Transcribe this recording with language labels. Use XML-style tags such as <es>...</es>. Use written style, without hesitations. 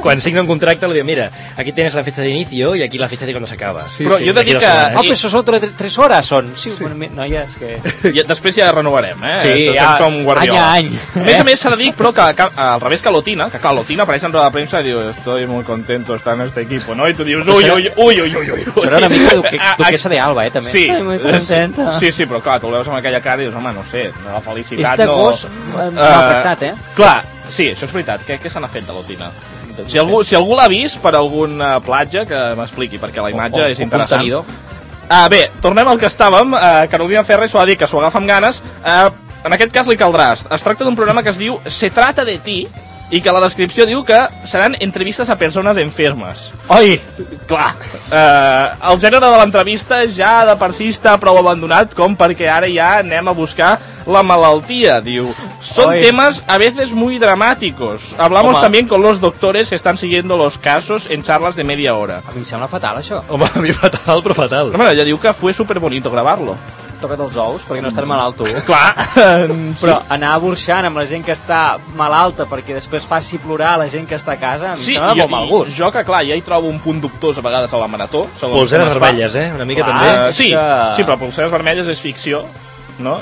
<ca>Quan signa un contracte, li diu, mira, aquí tienes la fecha d'inicio i aquí la fecha de quan s'acaba. Sí, però sí, jo dic que... No, però això són 3 hores, són. Sí, sí. Bueno, no, ja, és que... I després ja renovarem, eh? Sí, ja, com Guardiola. Any a any. A més, s'ha de dir, però, que al revés que l'Otina, que clar, l'Otina apareix en roda de premsa i diu...</ca> <es>Estoy muy contento estar en este equipo, ¿no? Y tú dius, ui.</es> <ca>Serà una mica Duquesa de Alba, també. Sí.</ca> <es>Estoy muy contenta.</es> <ca>Sí, sí, però clar, tu el veus amb aquella cara i dius, home, no sé, la felicitat... Este no... gos m'ha afectat, eh? Clar, sí, això és veritat. Què se n'ha fet de l'Otina? Si algú l'ha vist per alguna platja, que m'expliqui, perquè la imatge és interessant.</ca> <es>Contenido.</es> <ca>Bé, tornem al que estàvem. Carolina Ferrer s'ho ha dit, que s'ho agafa amb ganes. En aquest cas li caldrà. Es tracta d'un programa que es diu Se trata de ti, i que la descripció diu que seran entrevistes a persones enfermes. Oi! Clar! El gènere de l'entrevista ja de per si està prou abandonat com perquè ara ja anem a buscar la malaltia, diu.</ca> <es>Són temes a veces muy dramáticos. Hablamos también con los doctores que están siguiendo los casos en charlas de media hora.</es> <ca>A mi sembla fatal, això. Home, a mi fatal, però fatal. Home, ella diu que fue superbonito grabarlo. Toca't els ous, perquè no estàs malalt tu. Clar. Però anar burxant amb la gent que està malalta perquè després faci plorar la gent que està a casa, a mi sí, sembla molt mal gust. Jo que, clar, ja hi trobo un punt dubtós a vegades a la Marató. Polseres vermelles, eh? Una mica clar, també. Sí, que... sí, però Polseres vermelles és ficció, no?</ca>